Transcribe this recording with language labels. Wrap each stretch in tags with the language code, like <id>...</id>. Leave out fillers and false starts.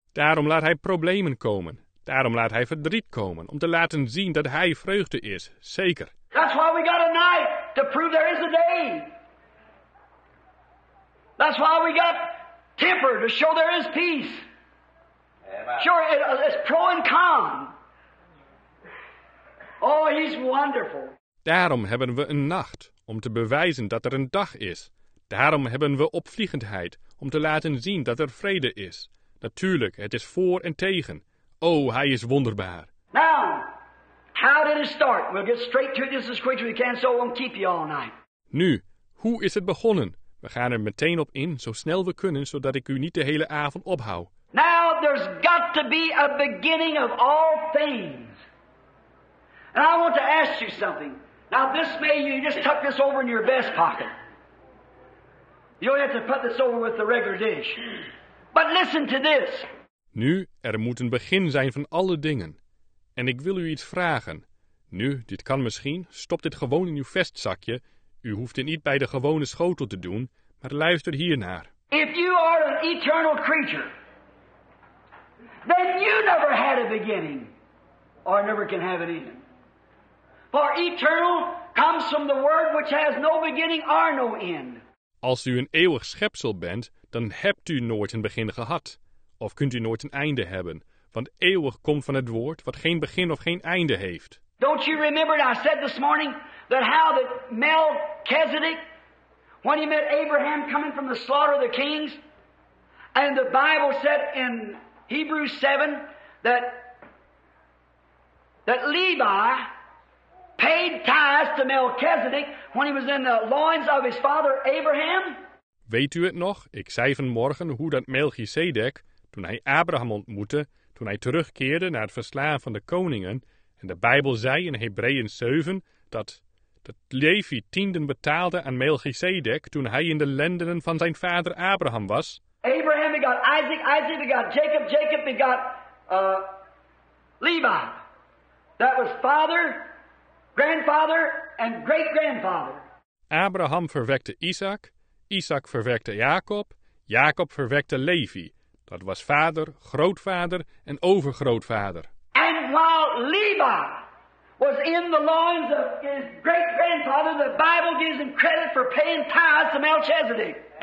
<nl>Daarom laat hij problemen komen. Daarom laat hij verdriet komen, om te laten zien dat hij vreugde is, zeker.</nl> <en>That's why we got a night, to prove there is a day. That's why we got temper, to show there is peace. Sure, it's pro and con. Oh, he's wonderful.</en> <nl>Daarom hebben we een nacht, om te bewijzen dat er een dag is. Daarom hebben we opvliegendheid, om te laten zien dat er vrede is. Natuurlijk, het is voor en tegen. Oh, hij is wonderbaar.</nl> <en>Now, how did it start? We'll get straight to it just as quick as we can, so it won't keep you all night.</en> <nl>Nu, hoe is het begonnen? We gaan er meteen op in, zo snel we kunnen, zodat ik u niet de hele avond ophoud.</nl> <en>Now, there's got to be a beginning of all things. And I want to ask you something. Now, this may, you just tuck this over in your vest pocket. You only have to put this over with the regular dish. But listen to this.</en> <nl>Nu, er moet een begin zijn van alle dingen. En ik wil u iets vragen. Nu, dit kan misschien, stop dit gewoon in uw vestzakje. U hoeft het niet bij de gewone schotel te doen, maar luister hiernaar.</nl> <en>If you are an eternal creature, then you never had a beginning, or never can have an end. For eternal comes from the word which has no beginning or no end.</en> <nl>Als u een eeuwig schepsel bent, dan hebt u nooit een begin gehad. Of kunt u nooit een einde hebben, want eeuwig komt van het woord wat geen begin of geen einde heeft.</nl> <en>Don't you remember what I said this morning, that how that Melchizedek, when he met Abraham coming from the slaughter of the kings, and the Bible said in Hebrews 7 that Levi paid tithes to Melchizedek when he was in the loins of his father Abraham?</en> <nl>Weet u het nog? Ik zei vanmorgen hoe dat Melchizedek, toen hij Abraham ontmoette, toen hij terugkeerde naar het verslaan van de koningen, en de Bijbel zei in Hebreeën 7 dat Levi tienden betaalde aan Melchizedek toen hij in de lendenen van zijn vader Abraham was.</nl> <en>Abraham begot Isaac, Isaac begot Jacob, Jacob begot Levi. That was father, grandfather and great-grandfather.</en> <nl>Abraham verwekte Isaac, Isaac verwekte Jacob, Jacob verwekte Levi. Dat was vader, grootvader en overgrootvader.</nl> <en>And while Levi was in the loins of his great-grandfather, the Bible gives him credit for paying tithes to Melchizedek.</en>